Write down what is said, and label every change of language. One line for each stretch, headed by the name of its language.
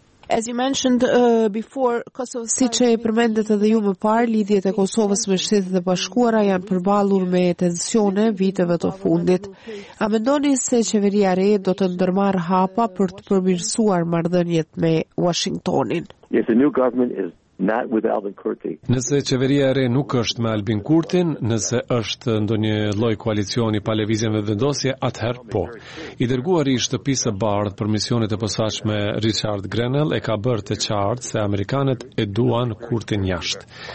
English: As you mentioned before,
Albanian: Kosovo, si që e përmendet edhe ju më parë, lidhjet e Kosovës me Shtetet e Bashkuara janë përballur me tensione viteve të fundit. A mendoni se qeveria re do të ndërmarr hapa për të përmirësuar marrëdhëniet me Washingtonin?
English: Yes, the new government is not with Albin Kurti.
Albanian: Nëse qeveria e re nuk është me Albin Kurtin, nëse është ndonjë lloj koalicioni pa lëvizje me vendosje, atëherë po. I dërguari i Shtëpisë së Bardhë për misionet e posaçme Richard Grenell e ka bërë të qartë se amerikanët e duan Kurtin jashtë.